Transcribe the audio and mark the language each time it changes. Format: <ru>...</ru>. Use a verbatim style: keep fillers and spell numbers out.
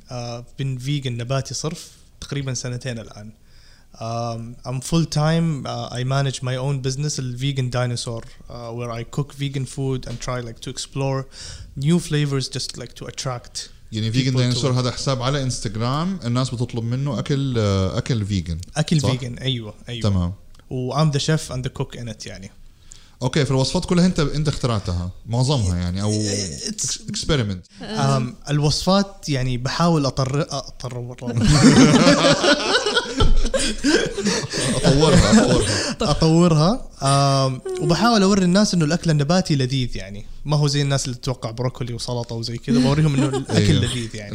<ar>آه, بن فيجن نباتي صرف تقريبا سنتين الان.</ar> <en>Um, I'm full-time. Uh, I manage my own business, a vegan dinosaur, uh, where I cook vegan food and try like to explore new flavors, just like to attract.</en> <ar>يعني vegan dinosaur هذا حساب على إنستغرام الناس بتطلب منه أكل أكل vegan. أكل vegan أيوة أيوة. تمام. وأنا</ar> <en>the chef and the cook in it</en> <ar>يعني. أوكي في الوصفات كلها أنت أنت اخترعتها معظمها يعني أو experiment. Um, الوصفات يعني بحاول أطر أطر اطورها اطورها اطورها أم وبحاول اوري الناس انه الاكل النباتي لذيذ، يعني ما هو زي الناس اللي تتوقع بروكولي وسلطه وزي كذا، بوريهم انه الاكل لذيذ يعني</ar>